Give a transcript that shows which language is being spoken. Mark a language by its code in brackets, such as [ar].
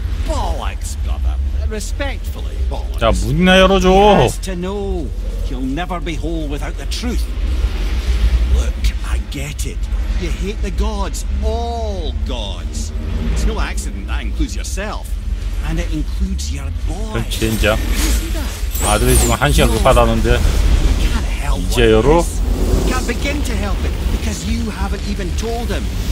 [en] Bollocks, brother. Respectfully, bollocks. [ko] 자 문이나 열어줘. [en] He has to know. He'll never be whole without the truth. Look, I get it. You hate the gods, all gods. It's no accident that includes yourself, and it includes your boy. [ko] 진짜? 아들이 지금 한 시간 급하다는데 이제 열어? [en] Can't begin to help it because you haven't even told him.